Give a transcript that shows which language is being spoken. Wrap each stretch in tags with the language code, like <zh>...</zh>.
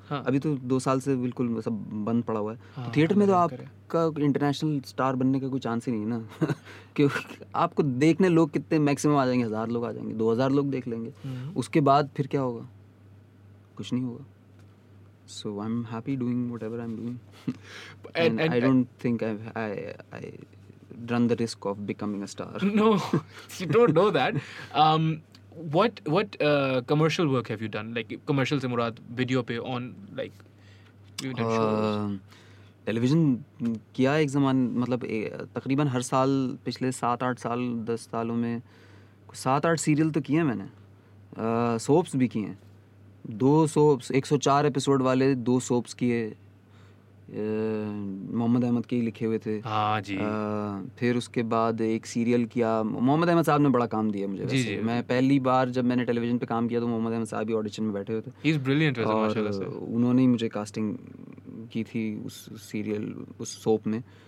<ur>ابھی تو 2 سال سے بالکل سب بند پڑا ہوا ہے. تھیئٹر میں تو آپ کا انٹرنیشنل اسٹار بننے کا کوئی چانس ہی نہیں ہے نا, کیونکہ آپ کو دیکھنے لوگ کتنے میکسیمم آ جائیں گے, 1000 لوگ آ جائیں گے, 2000 لوگ دیکھ لیں گے, اس کے بعد پھر کیا ہوگا, کچھ نہیں ہوگا.</ur> <en>So I am happy doing whatever I am doing, and I don't think I run the risk of becoming a star. No, you don't know that. What commercial work have you done? Like commercial</en> <ur>se murad video pe on,</ur> <en>like you've done shows.</en> <ur>Television kiya ek zaman, matlab taqreeban har saal pichle 7-8 saal 10 saalon mein 7-8 serial to kiye maine, soaps bhi kiye, 2 soaps, 104 episode wale 2 soaps kiye, محمد احمد کے ہی لکھے ہوئے تھے. ہاں جی. پھر اس کے بعد ایک serial کیا, محمد احمد صاحب نے بڑا کام دیا مجھے. میں پہلی بار جب میں نے ٹیلی ویژن پہ کام کیا تو محمد احمد صاحب ہی آڈیشن میں بیٹھے ہوئے تھے.</ur> <en>he is brilliant, اور</en> <ur>انہوں نے ہی مجھے کاسٹنگ کی تھی اس سیریل, اس سوپ میں.</ur>